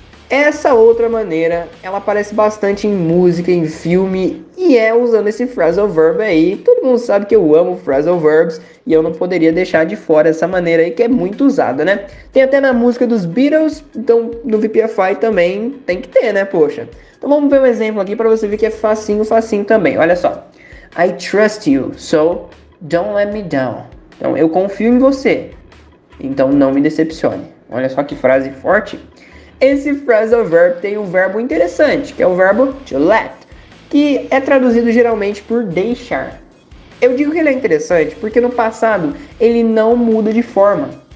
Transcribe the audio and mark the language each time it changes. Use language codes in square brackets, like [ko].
[pt] Essa outra maneira, ela aparece bastante em música, em filme, e é usando esse phrasal verb aí. Todo mundo sabe que eu amo phrasal verbs, e eu não poderia deixar de fora essa maneira aí, que é muito usada, né? Tem até na música dos Beatles, então no VPFI também tem que ter, né, poxa? Então vamos ver um exemplo aqui pra você ver que é facinho, facinho também. Olha só. [en] I trust you, so don't let me down. [pt] Então eu confio em você, então não me decepcione. Olha só que frase forte. Esse phrasal verb tem um verbo interessante, que é o verbo to let, que é traduzido geralmente por deixar. Eu digo que ele é interessante porque no passado ele não muda de forma.